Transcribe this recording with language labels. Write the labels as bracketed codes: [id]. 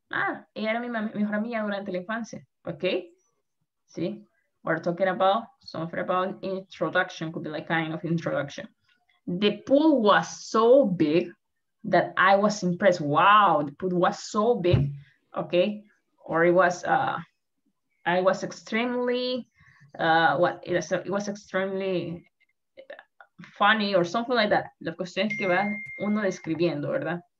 [es] Ah, ella era mi mejor amiga durante la infancia. [en] Okay. See? We're talking about something about introduction, could be like kind of introduction. The pool was so big that I was impressed. Wow, the pool was so big. Okay. Or it was extremely funny or something like that. [es] La cuestión es que va uno describiendo, ¿verdad?